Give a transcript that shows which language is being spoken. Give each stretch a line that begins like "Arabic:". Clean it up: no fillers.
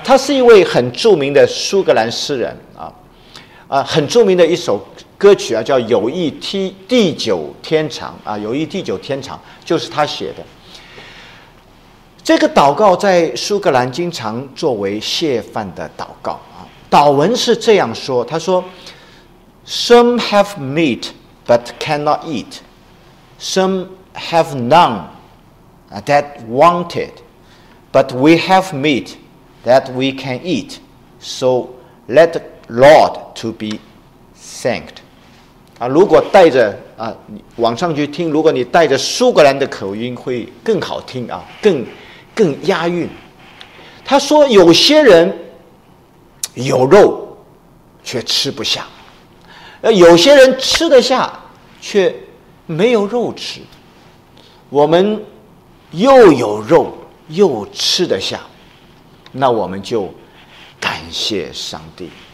Chinese: 他是一位很著名的苏格兰诗人，很著名的一首歌曲叫友谊地久天长，友谊地久天长就是他写的。这个祷告在苏格兰经常作为谢饭的祷告，祷文是这样说，他说
English: Some have meat but cannot eat. Some have none that want it. But we have meat that we can eat. So let the Lord to be thanked.
Chinese: 如果带着网上去听，如果你带着苏格兰的口音会更好听更押韵。他说有些人有肉却吃不下，有些人吃得下却没有肉吃，我们又有肉又吃得下，那我们就感谢上帝。